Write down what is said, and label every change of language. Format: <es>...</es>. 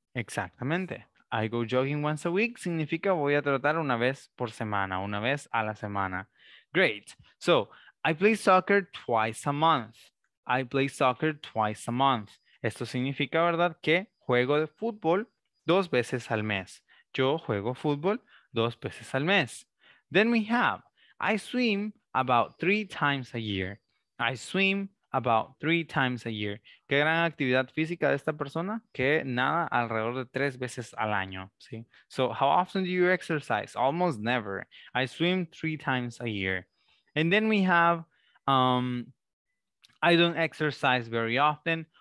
<es>Exactamente.</es> <en>I go jogging once a week</en> <es>significa voy a trotar una vez por semana, una vez a la semana.</es> <en>Great. So, I play soccer twice a month. I play soccer twice a month.</en> <es>Esto significa, ¿verdad?, que juego de fútbol dos veces al mes. Yo juego fútbol dos veces al mes.</es> <en>Then we have, I swim about three times a year. I swim about three times a year.</en> <es>¿Qué gran actividad física de esta persona? Que nada alrededor de tres veces al año, ¿sí?</es> <en>So, how often do you exercise? Almost never. I swim three times a year. And then we have, I don't exercise very often.</en>